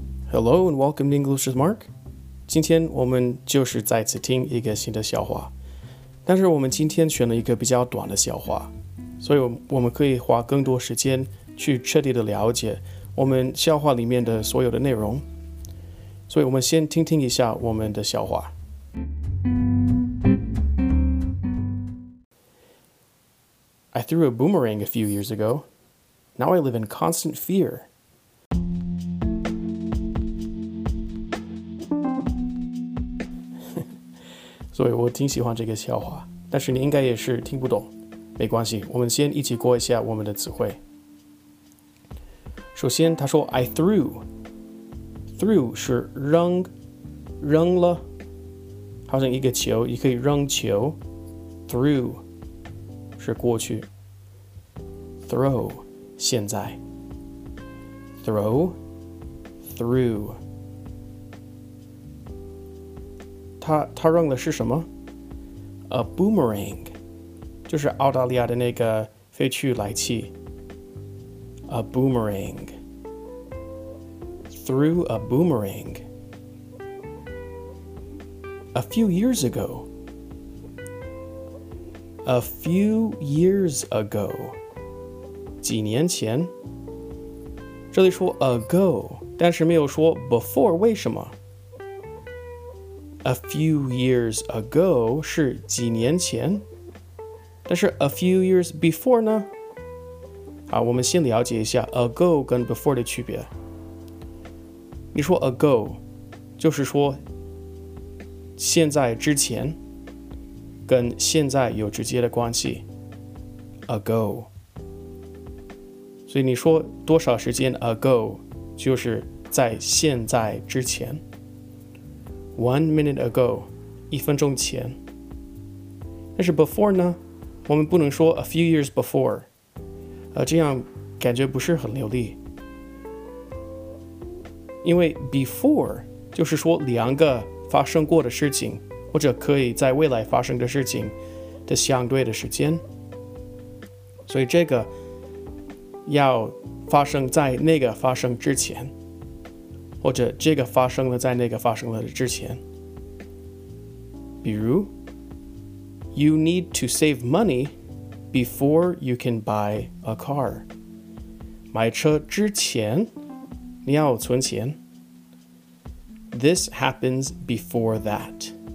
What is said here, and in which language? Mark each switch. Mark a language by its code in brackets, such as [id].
[en] Hello and welcome to English with Mark. [zh] 今天我们就是再次听一个新的笑话，但是我们今天选了一个比较短的笑话，所以我们可以花更多时间去彻底的了解我们笑话里面的所有的内容。所以我们先听听一下我们的笑话。 [en] I threw a boomerang a few years ago. Now I live in constant fear. [zh] 所以我挺喜欢这个笑话，但是你应该也是听不懂。没关系，我们先一起过一下我们的词汇。首先他说 [en] I threw， [zh] threw 是扔，扔了，好像一个球，也可以扔球。 threw 是过去， throw 现在， throw， threw。他扔的是什么？ [en] A boomerang， [zh] 就是澳大利亚的那个飞去来器。 [en] A boomerang， threw a boomerang。 A few years ago， a few years ago， [zh] 几年前。这里说 ago， 但是没有说 before， 为什么？ [en] A few years ago [zh] 是几年前，但是 [en] a few years before 呢？ [zh] 好，我们先了解一下 ago 跟 before 的区别。你说 ago 就是说现在之前，跟现在有直接的关系。 ago， 所以你说多少时间 ago 就是在现在之前。 [en] One minute ago， [zh] 一分钟前。但是 before 呢？我们不能说 [en] a few years before， [zh] 这样感觉不是很流利。因为 before 就是说两个发生过的事情，或者可以在未来发生的事情的相对的时间。所以这个要发生在那个发生之前。或者这个发生了在那个发生了之前。 [en] 比如 You need to save money before you can buy a car. [zh] 买车之前你要存钱。 [en] This happens before that.